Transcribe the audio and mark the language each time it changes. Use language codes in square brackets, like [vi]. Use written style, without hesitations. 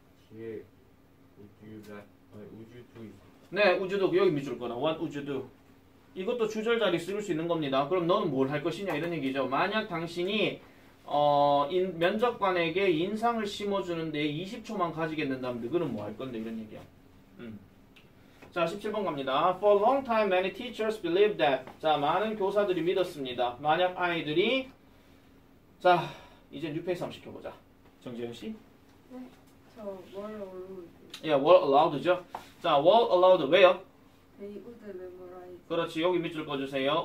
[en] 뒤에 would you like, would you do it? 네, would you do? [ko] 여기 밑줄 거다. [en] What would you do? [ko] 이것도 주절 자리 쓸 수 있는 겁니다. 그럼 너는 뭘 할 것이냐 이런 얘기죠. 만약 당신이 면접관에게 인상을 심어주는데 20초만 가지겠는다면 그럼 뭐 할 건데 이런 얘기야. 자, 17번 갑니다. [en] For a long time, many teachers believed that. [ko] 자, 많은 교사들이 믿었습니다. 만약 아이들이 자, 이제 뉴페이스 한번 시켜보자. 정재현 씨? 네, 저 월 얼로우드. 예, 월 얼로우드죠. 자, 월 얼로우드 왜요? [en] They would memorize. [ko] 그렇지, 여기 밑줄 꺼주세요.